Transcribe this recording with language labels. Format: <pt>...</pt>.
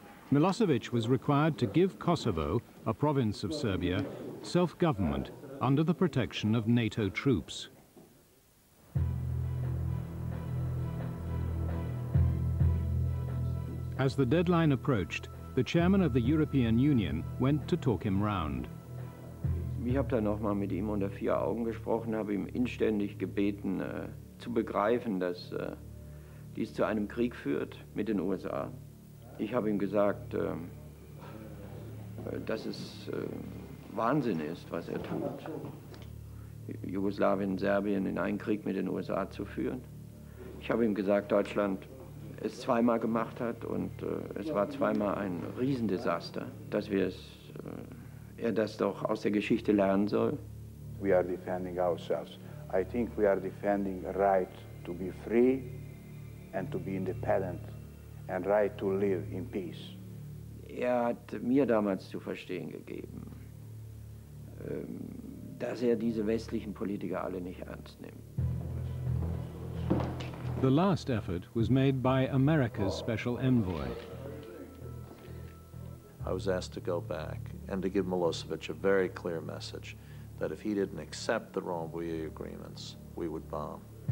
<en>Milosevic was required to give Kosovo, a province of Serbia, self-government under the protection of NATO troops. As the deadline approached, the chairman of the European Union went to talk him round.</en> <de>Ich habe dann noch mal mit ihm unter vier Augen gesprochen, habe ihm inständig gebeten zu begreifen, dass dies zu einem Krieg führt mit den USA. Ich habe ihm gesagt, dass es Wahnsinn ist, was er tut, Jugoslawien, Serbien in einen Krieg mit den USA zu führen. Ich habe ihm gesagt, Deutschland es zweimal gemacht hat und es war zweimal ein Riesendesaster, dass wir es, er das doch aus der Geschichte lernen soll.</de> <en>We are defending ourselves. I think we are defending a right to be free and to be independent and right to live in peace.</en> <de>Er hat mir damals zu verstehen gegeben, dass er diese westlichen Politiker alle nicht ernst nimmt.</de> <en>The last effort was made by America's special envoy. I was asked to go back and to give Milosevic a very clear message that if he didn't accept the Rambouillet agreements, we would bomb.</en>